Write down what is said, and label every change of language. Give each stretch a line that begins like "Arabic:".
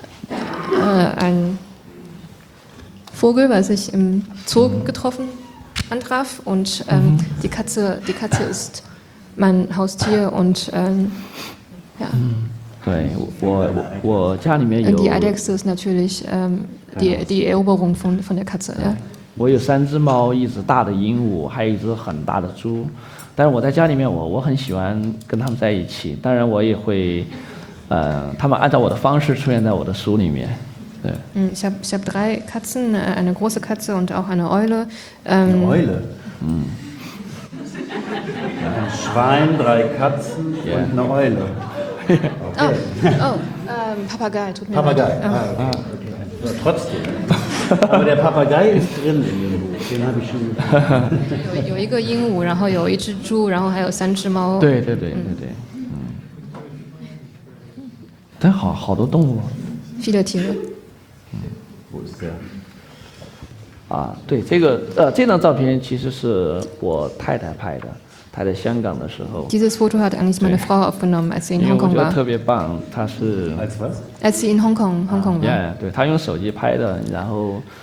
German: ein Vogel, was ich im Zoo getroffen antraf und die Katze ist mein Haustier und ja. Die Eidechse ist natürlich die Eroberung von der Katze, ja.
Chinese: 我有三只猫，一只大的鹦鹉，还有一只很大的猪。但是我在家里面我很喜欢跟他们在一起，当然我也会他们按照我的方式出现在我的书里面。对，
German: 嗯，ich hab drei Katzen, eine große Katze und auch eine Eule. Eine Eule? Mm. Ein Schwein, drei Katzen und eine Eule. Okay. Oh, Papagei, tut mir leid. Papagei, okay. Ja, trotzdem. Aber der Papagei ist drin in dem Buch, den habe ich schon gesehen.
Chinese: 有一个鹦鹉，然后有一只猪，然后还有三只猫。对对对对对。但好好多动物。
German: Viele Tiere。
Chinese: 啊，对，这个这张照片其实是我太太拍的，她在香港的时候。
German: Dieses Foto hat eigentlich meine Frau aufgenommen, als sie in Hong Kong war.
Chinese: 因为我觉得特别棒，她是。
German: Als was? Als sie in Hong Kong war.
Chinese: Yeah, 对，她用手机拍的，然后。